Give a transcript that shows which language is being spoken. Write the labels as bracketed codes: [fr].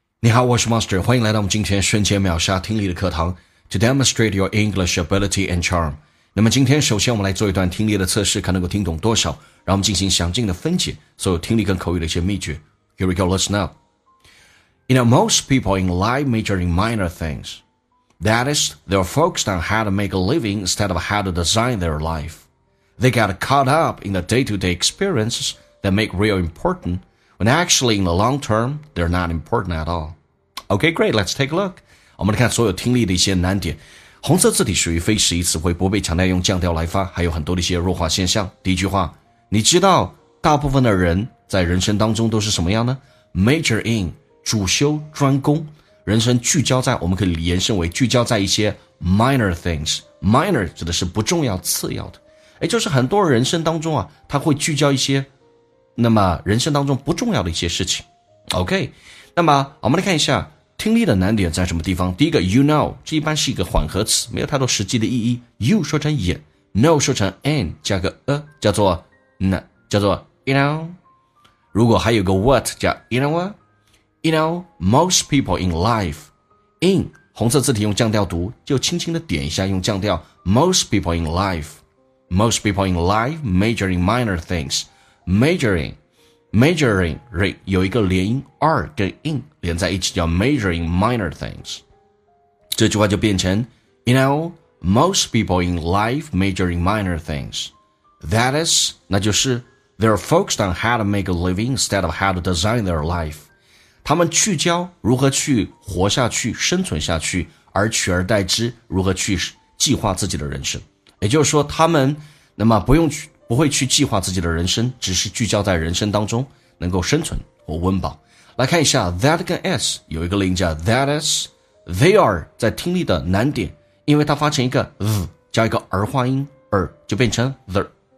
[zh] 你好，我是 Master， 欢迎来到我们今天瞬间秒杀听力的课堂 [en] To demonstrate your English ability and charm。 [zh] 那么今天首先我们来做一段听力的测试，看能够听懂多少，然后我们进行详尽的分解所有听力跟口语的一些秘诀。 [en] Here we go, listen up. You know, most people in life major in minor things. That is, they're focused on how to make a living instead of how to design their life. They got caught up in the day-to-day experiencesthat make real important, when actually in the long term, they're not important at all. Okay, great, let's take a look. [zh] 我们来看所有听力的一些难点。红色字体属于非实义词汇，不被强调用降调来发，还有很多的一些弱化现象。第一句话，你知道大部分的人在人生当中都是什么样呢？ Major in, 主修专攻，人生聚焦在，我们可以延伸为聚焦在一些 minor things. Minor 指的是不重要次要的。诶，就是很多人生当中啊，他会聚焦一些那么人生当中不重要的一些事情。 OK， 那么我们来看一下听力的难点在什么地方。第一个 you know， 这一般是一个缓和词，没有太多实际的意义。 you 说成也， know 说成 an， 加个 a 叫做 n， 叫做 you know。如果还有个 what 叫 [en] you know what， you know most people in life [zh] in 红色字体用降调读，就轻轻的点一下用降调。 [en] most people in life， most people in life major in minor thingsMajoring, majoring, re, 有一个连音 R 跟 in 连在一起叫 majoring minor things. [zh] 这句话就变成 [en] You know, most people in life majoring minor things. That is, [zh] 那就是 [en] They're focused on how to make a living instead of how to design their life. [zh] 他们聚焦如何去活下去，生存下去，而取而代之如何去计划自己的人生。也就是说他们那么不用去不会去计划自己的人生，只是聚焦在人生当中能够生存或温饱。来看一下 that 跟 s 有一个连接 that is they are， 在听力的难点，因为它发成一个 th 加一个儿化音 er， 就变成 the